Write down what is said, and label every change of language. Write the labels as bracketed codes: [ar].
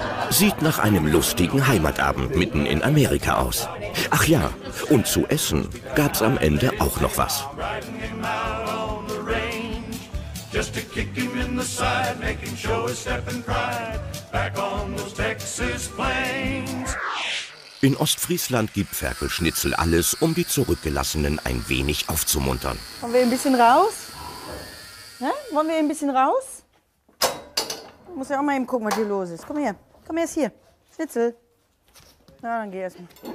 [de] Sieht nach einem lustigen Heimatabend mitten in Amerika aus. Ach ja, und zu essen gab's am Ende auch noch was. [en] Just to kick him in the side, make him show his step and pride, back on those Texas plains. [de] In Ostfriesland gibt Ferkelschnitzel alles, um die Zurückgelassenen ein wenig aufzumuntern. Wollen wir ein bisschen raus? Ne? Wollen wir ein bisschen raus? Ich muss ja auch mal eben gucken, was hier los ist. Komm erst hier. Schnitzel. Na, dann geh erst mal.